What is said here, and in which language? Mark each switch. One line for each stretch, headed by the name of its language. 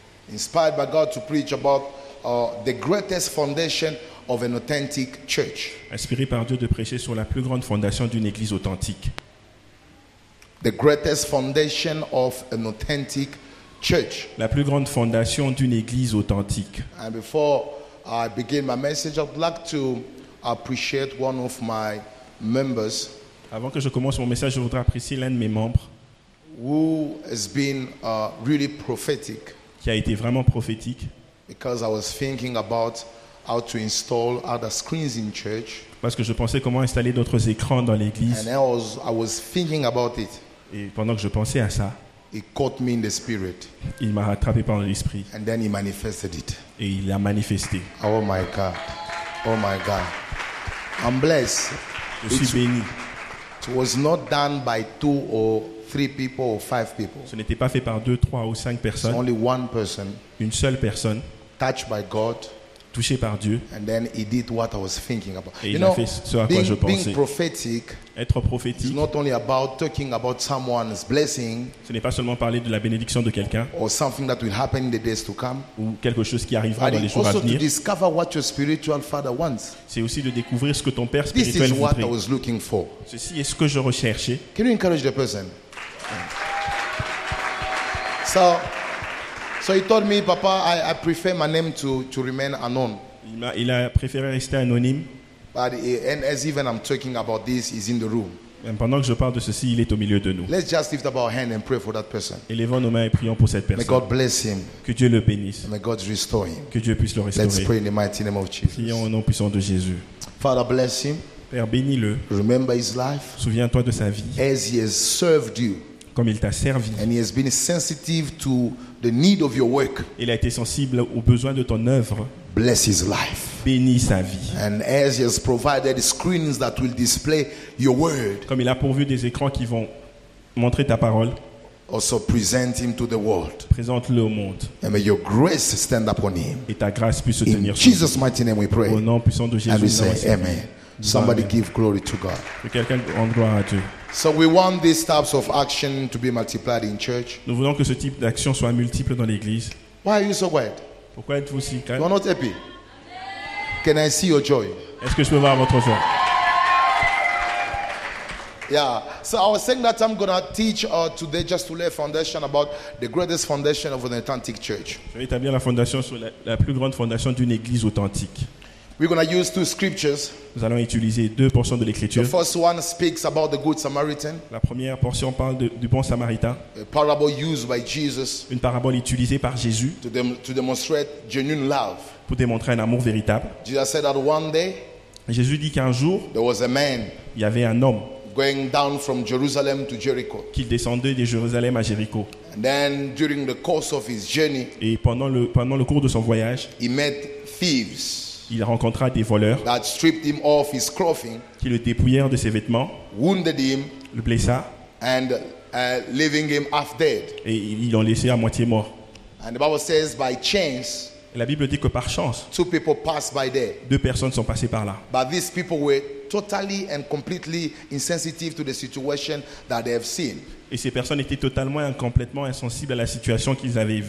English: Inspired by God to preach about the greatest foundation of an authentic church.
French: Inspiré par Dieu de prêcher sur la plus grande fondation d'une église authentique.
English: The greatest foundation of an authentic church.
French: La plus grande fondation d'une église authentique.
English: And before I begin my message, I'd like to appreciate one of my members.
French: Avant que je commence mon message, je voudrais apprécier l'un de mes membres
English: who has been, really prophetic
French: qui a été vraiment prophétique
English: because I was thinking about how to install other screens in church
French: parce que je pensais comment installer d'autres écrans dans l'église.
English: And I was thinking about it.
French: Et pendant que je pensais à ça,
English: he caught me in the spirit.
French: Il m'a rattrapé par l'esprit.
English: And then he manifested it.
French: Et il l'a manifesté.
English: Oh my God. Oh my God. I'm blessed.
French: Je suis béni.
English: It was not done by two or three people or five people.
French: Ce n'était pas fait par deux, trois ou cinq personnes.
English: It's only one person.
French: Une seule personne.
English: Touched by God.
French: Touché par Dieu.
English: And then he did what I was thinking about.
French: Et il a fait ce à quoi je pensais.
English: Being prophetic.
French: Être prophétique.
English: Is not only about talking about someone's blessing.
French: Ce n'est pas seulement parler de la bénédiction de quelqu'un.
English: Or something that will happen in the days to come.
French: Ou quelque chose qui arrivera dans les jours à venir.
English: To discover what your spiritual father wants.
French: C'est aussi de découvrir ce que ton père spirituel voudrait.
English: This is what I was looking for.
French: Ceci est ce que je recherchais.
English: Can you encourage the person? So, So he told me, Papa, I prefer my name to remain unknown.
French: Il a préféré rester anonyme.
English: But and as even I'm talking about this, he's in the room.
French: Et pendant que je parle de ceci, il est au milieu de nous.
English: Let's just lift up our hand and pray for that person.
French: Élevons nos mains et prions pour cette personne.
English: May God bless him.
French: Que Dieu le bénisse.
English: May God restore him.
French: Que Dieu puisse le restaurer.
English: Let's pray in the mighty name of Jesus.
French: Prions au nom puissant de Jésus.
English: Father, bless him.
French: Père, bénis-le.
English: Remember his life.
French: Souviens-toi de sa vie.
English: As he has served you.
French: Comme il t'a servi.
English: And he has been sensitive to the need of your work.
French: Il a été sensible aux besoins de ton œuvre.
English: Bless his life.
French: Bénis sa vie.
English: And as he has provided screens that will display your word.
French: Comme il a pourvu des écrans qui vont montrer ta parole.
English: Also present him to the world.
French: Présente-le au monde.
English: And may your grace stand upon him.
French: Et ta grâce puisse se tenir sur lui.
English: In Jesus' mighty name we pray.
French: Au nom puissant de Jésus.
English: And we say amen. Somebody give glory to God.
French: Que quelqu'un rende gloire à Dieu.
English: So we want these types of action to be multiplied in church.
French: Nous voulons que ce type d'action soit multiple dans l'église.
English: Why are you so quiet?
French: Pourquoi êtes-vous si calme?
English: You are not happy. Can I see your joy?
French: Est-ce que je peux voir votre joie?
English: Yeah. So I was saying that I'm gonna teach today just to lay a foundation about the greatest foundation of an authentic church.
French: Je vais établir la fondation sur la plus grande fondation d'une église authentique.
English: We're going to use two scriptures.
French: Nous allons utiliser deux portions de l'écriture.
English: The first one speaks about the good Samaritan.
French: La première portion parle du bon samaritain.
English: A parable used by Jesus.
French: Une parabole utilisée par Jésus.
English: To demonstrate genuine love.
French: Pour démontrer un amour véritable.
English: Jesus said that one day.
French: Jésus dit qu'un jour.
English: There was a man.
French: Il y avait un homme.
English: Going down from Jerusalem to Jericho.
French: Qu'il descendait de Jérusalem à Jéricho.
English: And then during the course of his journey.
French: Et pendant le cours de son voyage.
English: He met thieves.
French: Il rencontra des voleurs
English: that stripped him off his clothing,
French: qui le dépouillèrent de ses vêtements,
English: wounded him,
French: le blessa,
English: and leaving him half dead.
French: Et ils l'ont laissé à moitié mort.
English: And the Bible says by chance,
French: et la Bible dit que par chance,
English: two people passed by there.
French: Deux personnes sont passées par là.
English: But these people were totally and completely insensitive to the situation that they have seen.
French: Et ces personnes étaient totalement et complètement insensibles à la situation qu'ils avaient vue.